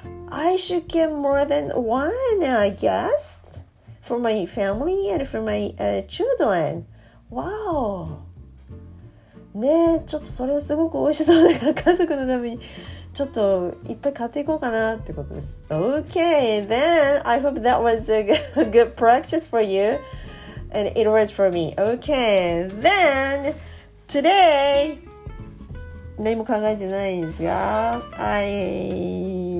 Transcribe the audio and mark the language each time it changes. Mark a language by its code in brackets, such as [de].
[en] I should get more than one, I guess, for my family and for my children. Wow! [ja] ねえ、ちょっとそれはすごく美味しそうだから家族のためにちょっといっぱい買っていこうかなってことです。 [en] Okay, then I hope that was a good practice for you and it was for me. Okay, then today... [ja] 何も考えてないんですが [en] I...